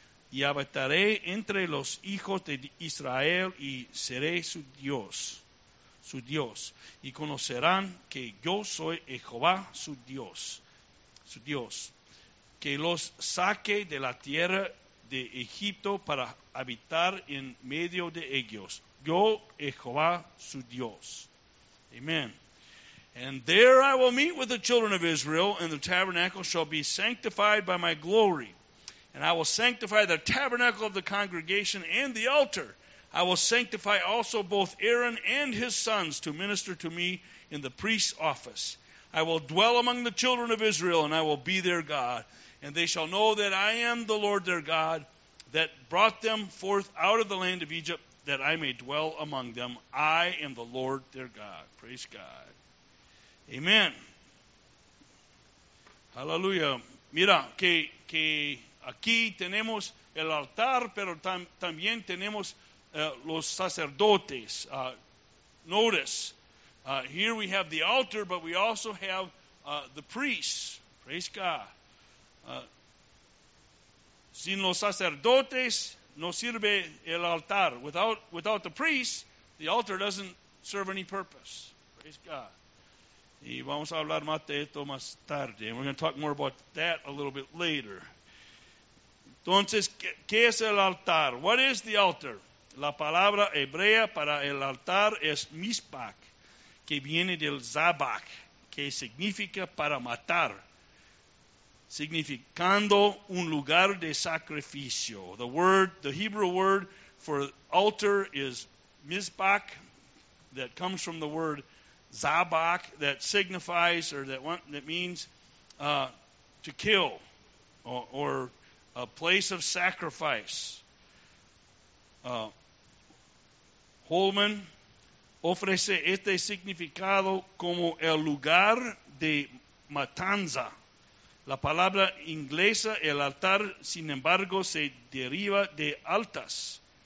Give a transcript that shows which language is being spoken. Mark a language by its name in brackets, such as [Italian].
[Spanish] Y habitaré entre los hijos de Israel y seré su Dios. Y conocerán que yo soy Jehová, su Dios, que los saque de la tierra de Egipto para habitar en medio de ellos. Yo, Jehová, su Dios. Amen. [English] And there I will meet with the children of Israel, and the tabernacle shall be sanctified by my glory. And I will sanctify the tabernacle of the congregation and the altar. I will sanctify also both Aaron and his sons to minister to me in the priest's office. I will dwell among the children of Israel, and I will be their God. And they shall know that I am the Lord their God, that brought them forth out of the land of Egypt, that I may dwell among them. I am the Lord their God. Praise God. Amen. [Spanish] Aleluya. Mira, que aquí tenemos el altar, pero también tenemos los sacerdotes. [English] Notice, here we have the altar, but we also have the priests. Praise God. [Spanish] Sin los sacerdotes, no sirve el altar. [English] Without the priest, the altar doesn't serve any purpose. Praise God. [Spanish] Y vamos a hablar más de esto más tarde. [English] And we're going to talk more about that a little bit later. [Spanish] Entonces, ¿qué es el altar? [English] What is the altar? [Spanish] La palabra hebrea para el altar es mizbah, que viene del zabach, que significa para matar, significando un lugar de sacrificio. [English] The Hebrew word for altar is mizbah, that comes from the word zabach, that signifies or that means to kill or a place of sacrifice. [Spanish] Holman ofrece este significado como el lugar de matanza. La palabra inglesa, el altar, sin embargo, se deriva de altas.